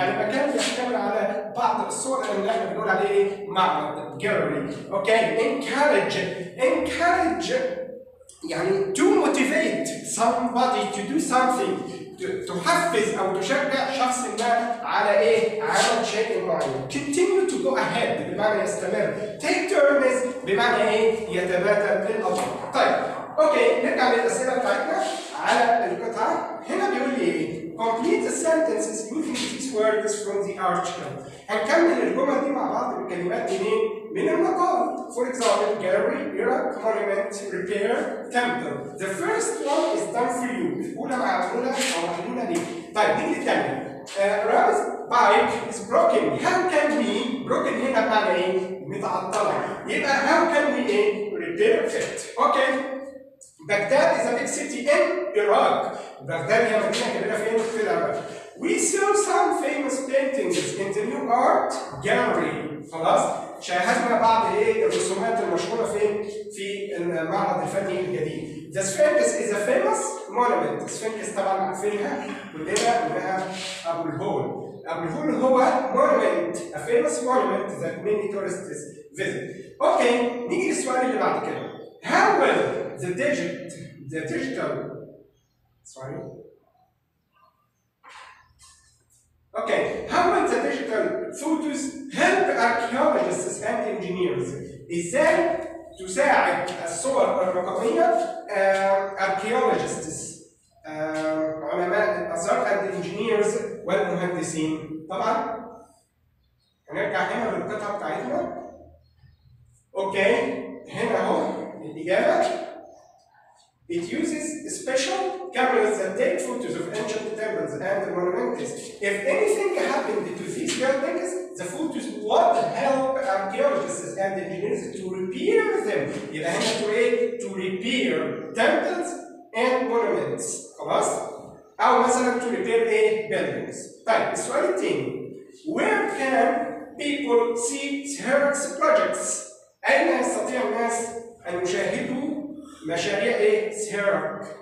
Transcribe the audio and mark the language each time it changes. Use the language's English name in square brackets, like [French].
[Arabic] يعني مكان يحتمل على بعض الصور اللي احنا بنقول عليه معرض gallery. [English] Okay, encourage. Encourage [Arabic] يعني [English] to motivate somebody to do something. [Arabic] تحفز او تشجع شخص ما على ايه؟ على شيء معين. [English] Continue to go ahead [Arabic] بمعنى يستمر. [English] Take turns [Arabic] بمعنى ايه؟ يتبادل بالأفكار. طيب اوكي نرجع للأسئلة بتاعتنا على القطعة. هنا بيقول لي ايه؟ [English] Complete the sentences using these words from the article. [Arabic] هنكمل الجمل دي مع بعض بكلمات منين؟ من المقال. [English] For example, gallery, era, monument, repair, temple. The first one is done for you. [Arabic] الأولى معقولة أو معقولة ليه؟ طيب دي التانية. [English] Ram's bike is broken. How can we broken [Arabic] هنا معنى ايه؟ متعطلة. يبقى [English] how can we repair it؟ [Arabic] اوكي. [English] Baghdad is a big city in Iraq. Baghdad is a big city in Iraq. We saw some famous paintings in the New Art Gallery. [Arabic] خلاص؟ شاهدنا بعض الرسومات المشهورة فين؟ في المعرض الفني الجديد. [English] The Sphinx is a famous monument. [Arabic] Sphinx طبعا عارفينها كلنا انها أبو الهول. أبو الهول هو [English] monument, a famous monument that many tourists visit. [Arabic] اوكي، نيجي للسؤال اللي بعد كده. [English] How will the digit, the digital, sorry. Okay, how will the digital photos help archaeologists and engineers? [Arabic] إزاي تساعد الصور الرقمية [English] archaeologists, [Arabic] علماء الآثار [English] and engineers [Arabic] والمهندسين؟ طبعا هنرجع هنا للقطعة بتاعتنا. اوكي هنا اهو الإجابة. [English] It uses special cameras that take photos of ancient temples and monuments. If anything happened to these buildings, the photos would help archaeologists and engineers to repair them. [Arabic] يبقى هنا تريد [English] to repair temples and monuments. [Arabic] خلاص؟ أو مثلا [English] to repair a buildings. [Arabic] طيب السؤال الثاني. [English] Where can people see Herx projects? [Arabic] أين يستطيع الناس أن يشاهدوا مشاريع ايه؟ سيرك.